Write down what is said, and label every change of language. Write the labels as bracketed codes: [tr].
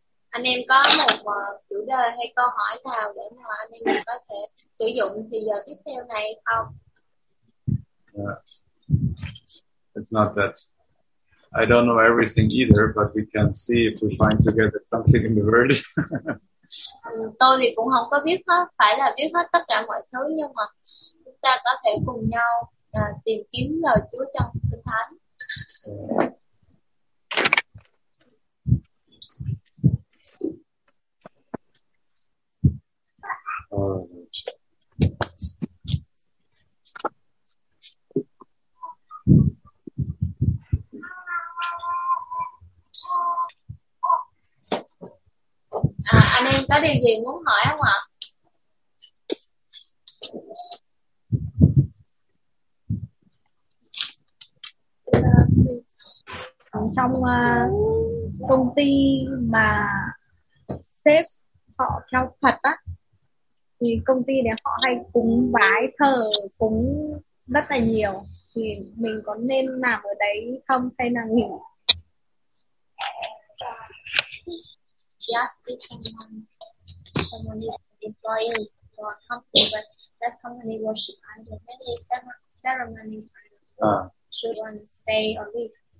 [vi] Anh em có một chủ đề hay câu hỏi nào để mà anh em có thể sử dụng thì giờ tiếp theo này không? [en] It's not that I don't know everything either, but we can see if we find together something in the word. [vi] Tôi thì cũng không có biết hết, phải là biết hết tất cả mọi thứ, nhưng mà chúng ta có thể cùng nhau tìm kiếm lời Chúa trong Kinh Thánh. Anh em có điều gì muốn hỏi không ạ? Trong công ty mà sếp họ theo Phật á, thì công ty đấy họ hay cúng bái thờ cúng rất là nhiều, thì mình có nên làm ở đấy không hay là nghỉ? [en] Just if someone is an employee for a company, but that company worship idol, many ceremonies should one stay or leave.